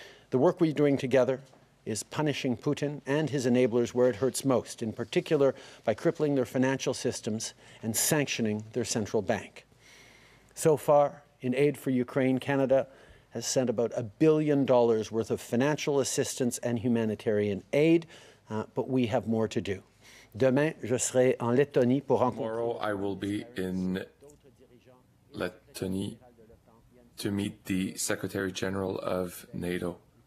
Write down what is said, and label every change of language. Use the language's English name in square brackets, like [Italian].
[English] The work we're doing together is punishing Putin and his enablers where it hurts most, in particular by crippling their financial systems and sanctioning their central bank. So far, in aid for Ukraine, Canada has sent about $1 billion worth of financial assistance and humanitarian aid, but we have more to do. [French] Demain, je serai en Lettonie pour rencontrer. [English] Tomorrow, I will be in Lettonie to meet the Secretary General of NATO.